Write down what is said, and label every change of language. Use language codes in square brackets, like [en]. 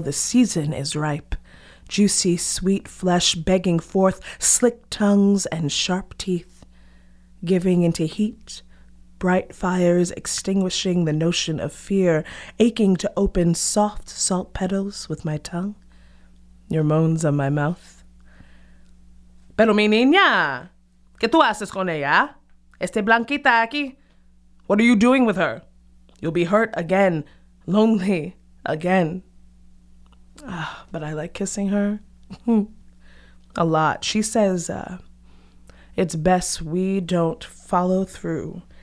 [en] The season is ripe. Juicy, sweet flesh begging forth slick tongues and sharp teeth, giving into heat, bright fires extinguishing the notion of fear, aching to open soft salt petals with my tongue, your moans on my mouth. [es] Pero mi niña, ¿qué tú haces con ella? Este blanquita aquí. [en] What are you doing with her? You'll be hurt again, lonely again. But I like kissing her a lot. She says it's best we don't follow through.